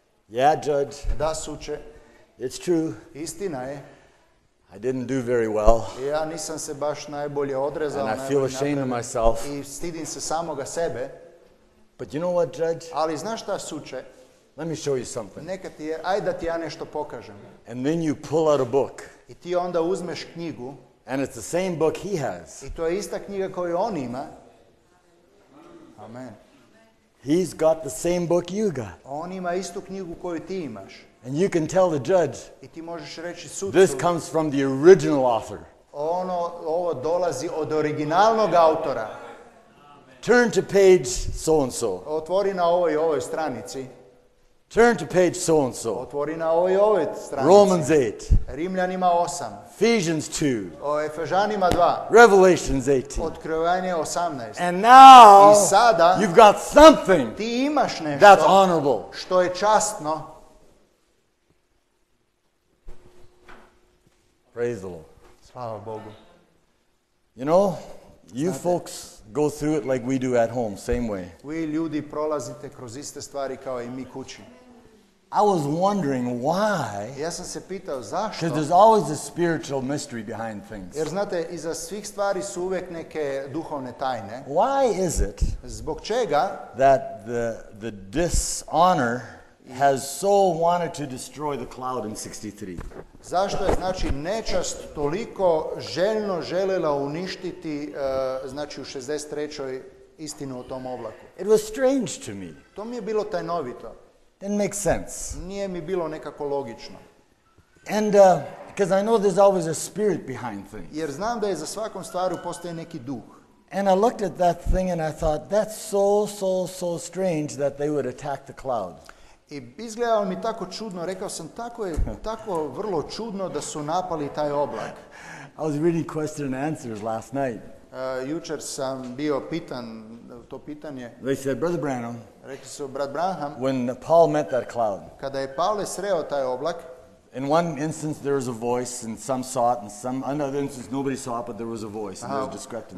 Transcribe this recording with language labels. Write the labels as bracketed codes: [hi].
[en] Yeah, judge. [hr] Da, suče. [en] It's true. [hr] Istina je. [en] I didn't do very well. [hr] Ja nisam se baš najbolje odrezao. [en] And I feel ashamed of myself. [hr] I stidim se samoga sebe. [en] But you know what, judge? [hr] Ali znaš šta, suče? [en] Let me show you something. [hr] Neka ti je, ajde da ti ja nešto pokažem. [en] And then you pull out a book. [hr] I ti onda uzmeš knjigu. [en] And it's the same book he has. [hr] I to je ista knjiga koju on ima. Amen. [en] He's got the same book you got. [hr] On ima istu knjigu koju ti imaš. [en] And you can tell the judge. [hr] I ti možeš reći sucu. [en] This comes from the original author. [hr] Ono, ovo dolazi od originalnog autora. [en] Turn to page so and so. [hr] Otvori na ovoj i ovoj stranici. [en] Turn to page so and so. [hr] Otvori na ovoj i ovoj stranici. [en] Romans 8. [hr] Rimljanima 8. [en] Ephesians 2. [hr] O Efežanima 2. [en] Revelations 18. [hr] Otkrivanje 18. [en] And now [hr] i sada, [en] you've got something. [hr] Ti imaš nešto. [en] That's honorable. [hr] Što je častno. [en] Praise the Lord. [hr] Slava Bogu. [en] You know, you [hr] Znate, [en] folks go through it like we do at home, same way. [hr] Vi ljudi prolazite kroz iste stvari kao i mi kući. [en] I was wondering why. [hr] Ja sam se pitao zašto. [en] There's always a spiritual mystery behind things. [hr] Jer znate, iza svih stvari su uvijek neke duhovne tajne. [en] Why is it? [hr] Zbog čega? [en] That the dishonor has so wanted to destroy the cloud in 63. [hr] Zašto je znači nečast toliko željno željela uništiti znači u 63. istinu o tom oblaku? [en] It was strange to me. [hr] To mi je bilo tajnovito. [en] It makes sense. [hr] Nije mi bilo nekako logično. [en] And because I know there's always a spirit behind things. [hr] Jer znam da je za svakom stvaru postoji neki duh. [en] And I looked at that thing and I thought that's so strange that they would attack the cloud. [hr] I izgledalo mi tako čudno, rekao sam tako je tako vrlo čudno da su napali taj oblak. [en] I was reading Question and Answers last night. [hr] Jučer sam bio pitan to pitanje. [en] They said, Brother Branham, [hr] rekli su, brat Branham, [en] when Paul met that cloud, [hr] kada je Pavle sreo taj oblak, [en] in one instance there was a voice and some saw it and some another instance nobody saw it but there was a voice and there was a discrepancy.